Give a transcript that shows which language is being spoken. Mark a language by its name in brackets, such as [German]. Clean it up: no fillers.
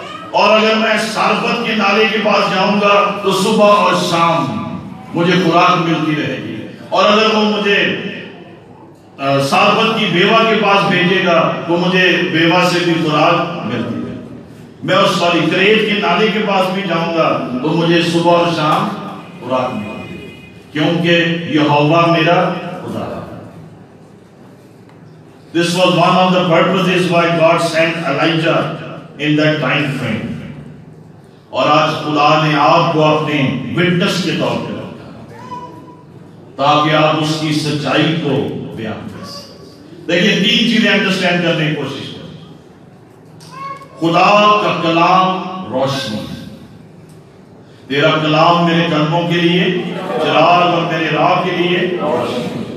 [Urdu] اور اگر میں سرپت کے نالے کے پاس جاؤں گا تو صبح اور شام مجھے خوراک ملتی رہے گی, اور اگر وہ مجھے سرپت کی بیوہ کے پاس بھیجے گا تو مجھے بیوہ سے بھی خوراک ملتی رہے گی. میں اس سوری کریت کے نالے کے پاس بھی جاؤں گا تو مجھے صبح اور شام خوراک ملتی رہے گی, کیونکہ یہوہ میرا خدا ہے. [English] This was one of the purposes why God sent Elijah in that time frame. [Urdu] اور آج خدا نے آپ کو اپنے وٹنس کے طور پہ رکھا تاکہ آپ اس کی سچائی کو بیان کر سکیں. دیکھیے تین چیزیں انڈرسٹینڈ کرنے کی کوشش کریں. خدا کا کلام روشنی ہے, تیرا کلام میرے قدموں کے لیے چراغ اور میرے راہ کے لیے روشنی.